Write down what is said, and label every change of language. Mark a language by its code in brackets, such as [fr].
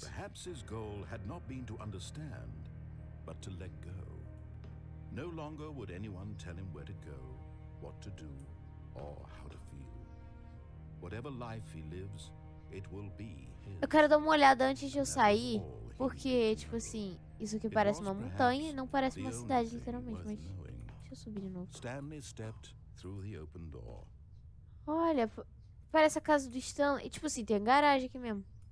[pt] Talvez seu objetivo não tenha sido entender, mas deixar ir. [en] No longer would anyone tell him where to go, what to do, or how to feel. Whatever life he lives, it will be his. [pt] Eu quero dar uma olhada antes de eu sair, porque, tipo assim, isso aqui parece uma montanha e não parece uma cidade, literalmente, mas... Deixa eu subir de novo. [en] Stanley stepped through the open door. [pt] Olha, parece a casa do Stanley. Tipo assim, tem a garagem aqui mesmo.